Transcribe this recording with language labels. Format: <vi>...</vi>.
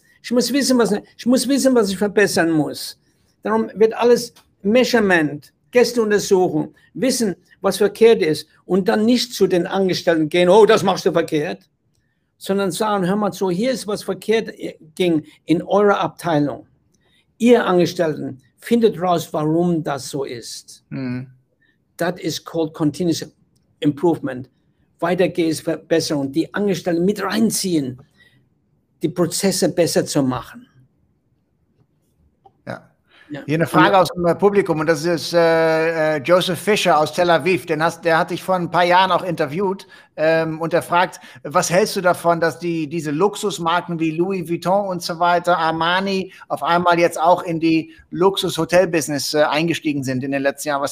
<de>Ich muss wissen, was ich verbessern muss. Darum wird alles Measurement, Gästeuntersuchung, wissen, was verkehrt ist und dann nicht zu den Angestellten gehen, oh, das machst du verkehrt. Sondern sagen, hör mal zu, hier ist was verkehrt ging in eurer Abteilung. Ihr Angestellten, findet raus, warum das so ist.</de> <en>That is called continuous improvement.</en> <de>Weiter geht es besser und die Angestellten mit reinziehen, die Prozesse besser zu machen. Ja. Hier eine Frage aus dem Publikum und das ist Joseph Fischer aus Tel Aviv. Der hat dich vor ein paar Jahren auch interviewt und er fragt, was hältst du davon, dass diese Luxusmarken wie Louis Vuitton und so weiter, Armani, auf einmal jetzt auch in die Luxus-Hotel-Business eingestiegen sind in den letzten Jahren?</de>